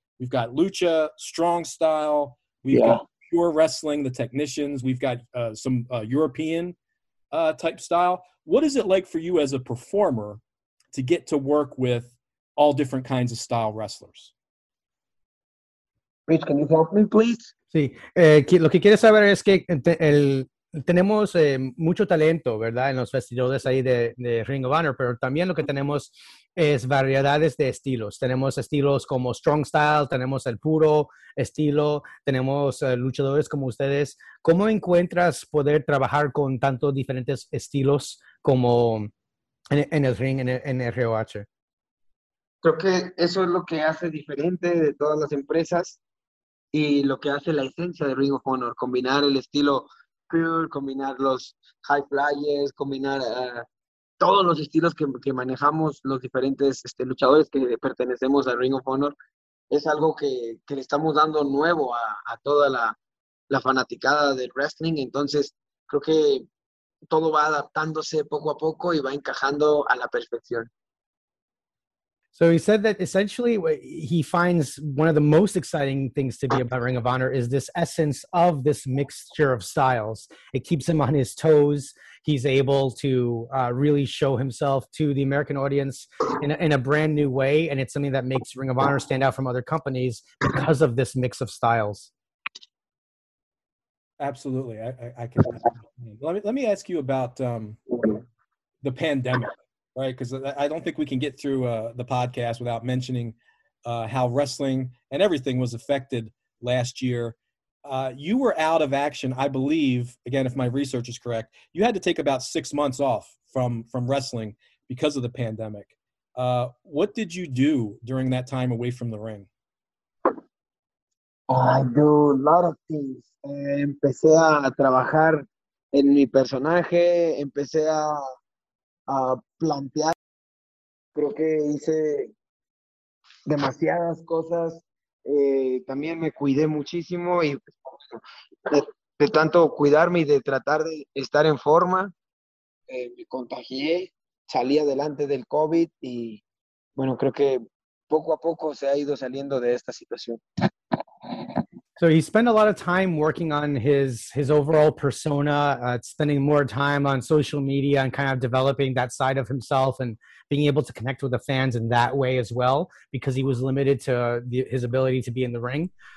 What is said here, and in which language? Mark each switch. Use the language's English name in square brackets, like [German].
[English] We've got Lucha, Strong Style. We've got Pure Wrestling, the Technicians. We've got some European type style. What is it like for you as a performer to get to work with all different kinds of style wrestlers? Rich, can you help me, please? [Spanish] Sí. Lo que quiero saber es que tenemos mucho talento, ¿verdad? En los vestidores ahí de Ring of Honor, pero también lo que tenemos es variedades de estilos. Tenemos estilos como Strong Style, tenemos el puro estilo, tenemos luchadores como ustedes. ¿Cómo encuentras poder trabajar con tantos diferentes estilos como en el ring, en el ROH? Creo que eso es lo que hace diferente de todas las empresas y lo que hace la esencia de Ring of Honor, combinar el estilo pure, combinar los high flyers, combinar todos los estilos que manejamos los diferentes luchadores que pertenecemos al Ring of Honor. Es algo que le estamos dando nuevo a toda la fanaticada del wrestling. Entonces, creo que todo va adaptándose poco a poco y va encajando a la perfección. [English] So he said that essentially what he finds one of the most exciting things to be about Ring of Honor is this essence of this mixture of styles. It keeps him on his toes. He's able to really show himself to the American audience in a brand new way. And it's something that makes Ring of Honor stand out from other companies because of this mix of styles. Absolutely. I can. Let me ask you about the pandemic. Right, because I don't think we can get through the podcast without mentioning how wrestling and everything was affected last year. You were out of action, I believe, again, if my research is correct, you had to take about 6 months off from wrestling because of the pandemic. What did you do during that time away from the ring? I do a lot of things. [Spanish] Empecé a trabajar en mi personaje, empecé a plantear, creo que hice demasiadas cosas, también me cuidé muchísimo y de tanto cuidarme y de tratar de estar en forma, me contagié, salí adelante del COVID y bueno, creo que poco a poco se ha ido saliendo de esta situación. [English] So he spent a lot of time working on his overall persona, spending more time on social media and kind of developing that side of himself and being able to connect with the fans in that way as well, because he was limited to his ability to be in the ring.